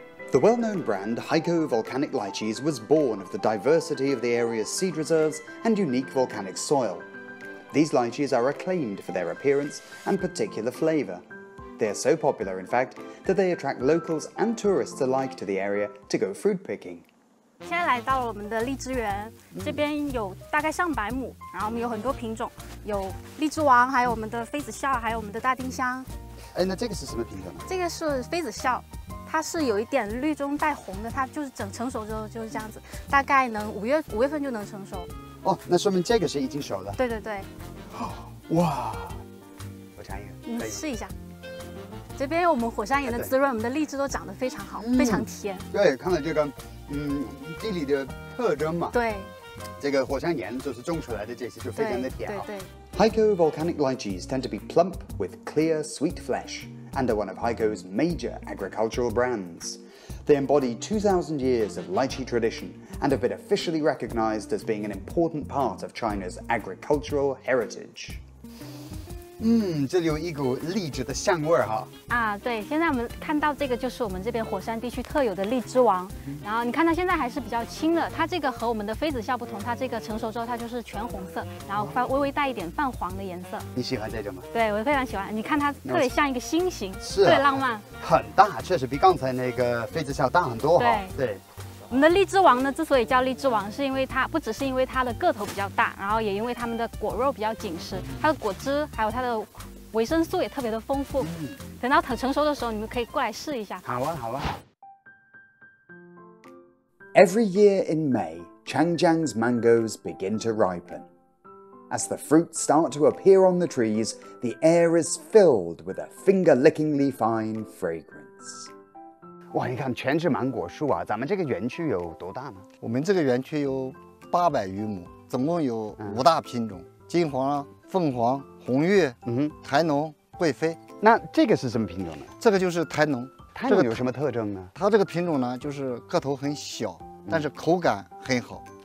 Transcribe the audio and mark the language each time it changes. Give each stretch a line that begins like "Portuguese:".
English: The well-known brand Haikou Volcanic Lychees was born of the diversity of the area's seed reserves and unique volcanic soil. These lychees are acclaimed for their appearance and particular flavour. They are so popular, in fact, that they attract locals and tourists alike to the area to go fruit picking.
Chinese: 现在来到了我们的荔枝园，这边有大概上百亩，然后我们有很多品种，有荔枝王，还有我们的妃子笑，还有我们的大丁香。哎，那这个是什么品种呢？这个是妃子笑。它是有一点绿中带红的，它就是整成熟之后就是这样子，大概能五月份就能成熟。哦，那说明这个是已经熟了。对对对。哇，我尝一个。你试一下。这边我们火山岩的滋润，我们的荔枝都长得非常好，非常甜。对，看到这个，地理的特征嘛。对。这个火山岩就是种出来的这些就非常的甜。对对。
English: Haikou volcanic lychees tend to be plump with clear, sweet flesh. And are one of Haikou's major agricultural brands. They embody 2,000 years of lychee tradition and have been officially recognized as being an important part of China's agricultural heritage.
Chinese: 这里有一股荔枝的香味哈。啊，对，现在我们看到这个就是我们这边火山地区特有的荔枝王。然后你看它现在还是比较青的，它这个和我们的妃子笑不同，它这个成熟之后它就是全红色，然后微微带一点泛黄的颜色。你喜欢这种吗？对，我非常喜欢。你看它特别像一个星形，是，特别浪漫。很大，确实比刚才那个妃子笑大很多哈。对。我们的荔枝王呢，之所以叫荔枝王，是因为它不只是因为它的个头比较大，然后也因为它们的果肉比较紧实，它的果汁还有它的维生素也特别的丰富。等到它成熟的时候，你们可以过来试一下。好啊，好啊。
English: Every year in May, Changjiang's mangoes begin to ripen. As the fruits start to appear on the trees, the air is filled with a finger-lickingly fine fragrance.
Chinese: 哇，你看全是芒果树啊！咱们这个园区有多大呢？我们这个园区有800余亩，总共有五大品种：金黄、凤凰、红玉、台农、贵妃。那这个是什么品种呢？这个就是台农。台农有什么特征呢？它这个品种呢，就是个头很小，但是口感很好。